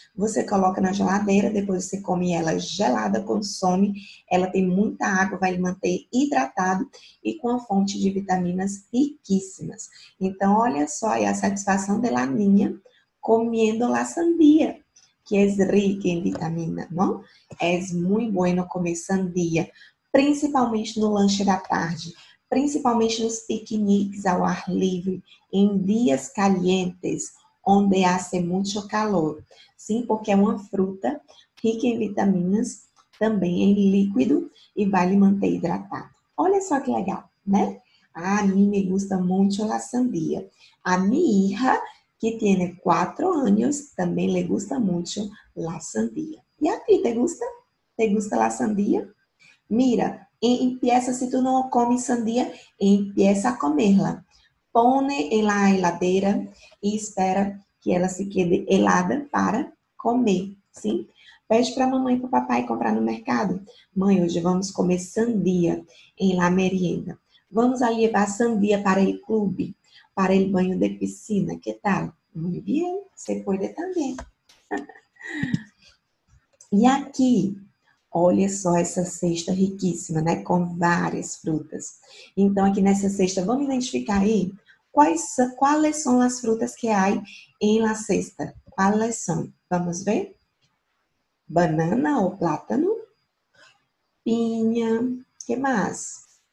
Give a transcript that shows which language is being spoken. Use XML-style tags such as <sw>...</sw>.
<pt>Você coloca na geladeira, depois você come ela gelada, consome. Ela tem muita água, vai manter hidratado e com a fonte de vitaminas riquíssimas. Então, olha só aí a satisfação de</pt> <es>la niña comiendo la sandía, que es rica en vitamina, não? Es muy bueno comer sandía, principalmente</es> <pt>no lanche da tarde. Principalmente nos piqueniques ao ar livre, em dias calientes, onde</pt> <es>hace mucho calor.</es> <pt>Sim, porque é uma fruta rica em vitaminas, também em líquido e vale manter hidratado. Olha só que legal, né? A mim</pt> <es>me gusta mucho la sandía.</es> <pt>A minha</pt> <es>hija, que tiene 4 anos, também le gusta mucho la sandía. E a ti, te gusta? Te gusta la sandía? Mira. Empieza,</es> <pt>se tu não come</pt> <es>sandia, empieza a comê-la.</es> <pt>Põe em</pt> <es>la heladeira</es> <pt>e espera que ela</pt> <es>se quede helada</es> <pt>para comer, sim? Pede para a mamãe e para o papai comprar no mercado. Mãe, hoje vamos comer sandia em</pt> <es>la merienda.</es> <pt>Vamos a levar sandia para el clube, para el banho de piscina. Que tal?</pt> <es>Muy bien, se puede también.</es> <pt>E aqui. Olha só essa cesta riquíssima, né? Com várias frutas. Então, aqui nessa cesta, vamos identificar aí quais são as frutas que há em</pt> <es>la cesta.</es> <pt>Quais são? Vamos ver? Banana ou plátano? Pinha. Que mais?</pt>